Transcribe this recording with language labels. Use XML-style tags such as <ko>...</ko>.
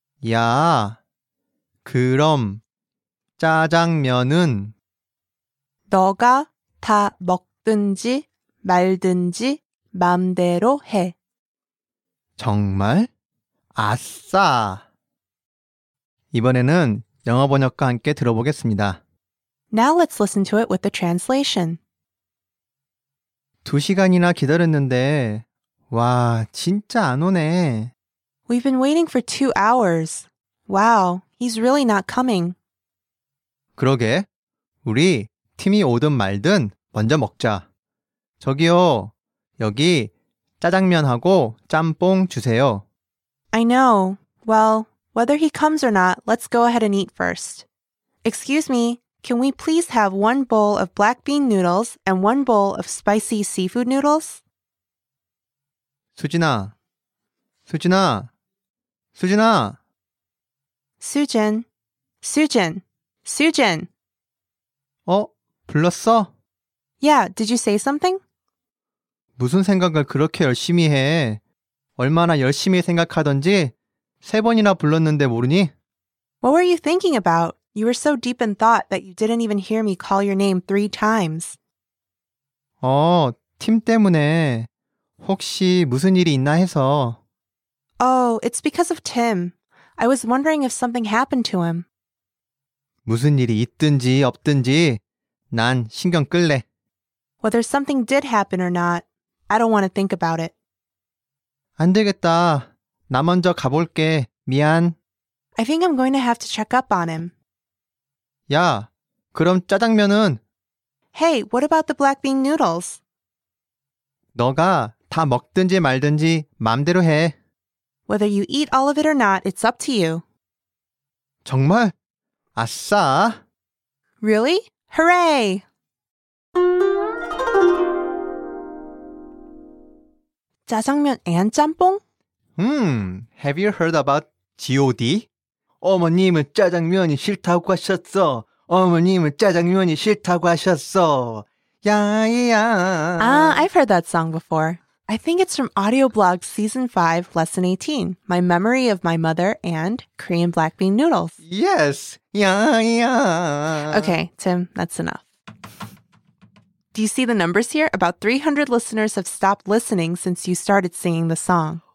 <ko>야, 그럼 짜장면은? 너가 다 먹든지 말든지 마음대로 해. 정말? 아싸! 이번에는 영어 번역과 함께 들어보겠습니다.</ko> <en>Now let's listen to it with the translation.</en> <ko>2시간이나 기다렸는데, 와, 진짜 안 오네.</ko> <en>We've been waiting for 2 hours. Wow, he's really not coming.</en> <ko>그러게, 우리 팀이 오든 말든 먼저 먹자. 저기요, 여기 짜장면하고 짬뽕 주세요.</ko> <en>I know. Well, whether he comes or not, let's go ahead and eat first. Excuse me, can we please have one bowl of black bean noodles and one bowl of spicy seafood noodles?</en> <ko>수진아, 수진아, 수진아. 수진, 수진, 수진. 어, 불렀어?</ko> <en>Yeah, did you say something?</en> <ko>무슨 생각을 그렇게 열심히 해? 얼마나 열심히 생각하던지 세 번이나 불렀는데 모르니?</ko> <en>What were you thinking about? You were so deep in thought that you didn't even hear me call your name 3 times.</en> <ko>어, 팀 때문에 혹시 무슨 일이 있나 해서.</ko> <en>Oh, it's because of Tim. I was wondering if something happened to him.</en> <ko>무슨 일이 있든지 없든지 난 신경 끌래.</ko> <en>Whether something did happen or not, I don't want to think about it.</en> <ko>안 되겠다. 나 먼저 가볼게. 미안.</ko> <en>I think I'm going to have to check up on him.</en> <ko>야, 그럼 짜장면은?</ko> <en>Hey, what about the black bean noodles?</en> <ko>너가 다 먹든지 말든지 마음대로 해.</ko> <en>Whether you eat all of it or not, it's up to you.</en> <ko>정말? 아싸!</ko> <en>Really? Hooray!</en> <ko>짜장면 and 짬뽕?</ko> <en>Have you heard about G.O.D?</en> <ko>어머님은 짜장면이 싫다고 하셨어. 어머님은 짜장면이 싫다고 하셨어. 야이야.</ko> <en>I've heard that song before. I think it's from Audioblog Season 5, Lesson 18, My Memory of My Mother and Korean Black Bean Noodles. Yes! Yeah, yeah. Okay, Tim, that's enough. Do you see the numbers here? About 300 listeners have stopped listening since you started singing the song.</en>